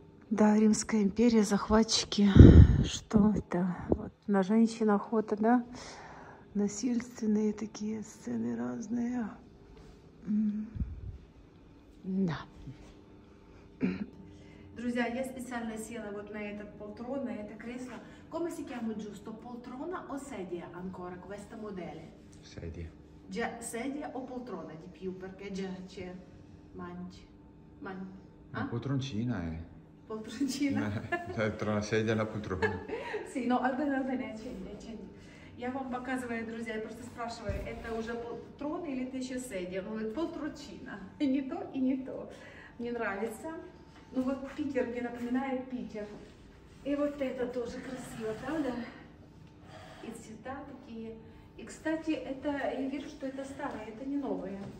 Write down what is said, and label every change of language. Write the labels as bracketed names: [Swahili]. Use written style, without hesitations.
[Russian] Да, Римская империя, захватчики. Что это? Вот, на женщин охота, да? Насильственные такие сцены разные. Да. Друзья, я специально села вот на этот полтрон, на это кресло. [Italian] Come si chiama giusto? Poltrona o sedia ancora questa modelle? Sedia. Già sedia o poltrona di più perché già c'è mangi. Mangi. Ma poltroncina è. Poltroncina. Cioè, tra una sedia e la poltrona. Sì, no, allora bene, accendi, accendi. [Russian] Я вам показываю, друзья, я просто спрашиваю, это уже трон или это еще седя? Он говорит, полтручина. И не то, и не то. Мне нравится. Ну вот Питер, мне напоминает Питер. И вот это тоже красиво, правда? И цвета такие. И, кстати, это я вижу, что это старое, это не новое.